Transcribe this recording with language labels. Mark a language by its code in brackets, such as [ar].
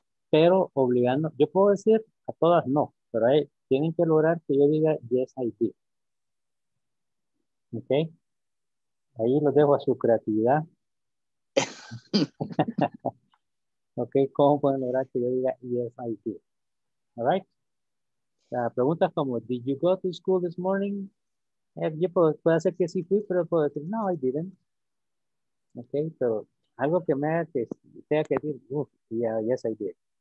[es] Pero obligando, yo puedo decir a todas no, pero ahí tienen que lograr que yo diga [en] yes, I did. [es] Ok. Ahí lo dejo a su creatividad. Ok, ¿cómo pueden lograr que yo diga [en] yes, I did? Alright. [es] Preguntas como, [en] did you go to school this morning? [es] Yo puedo hacer que sí fui, pero puedo decir, [en] no, I didn't. [es] Ok, pero algo que me haga que tenga que decir, [en] yes, I did.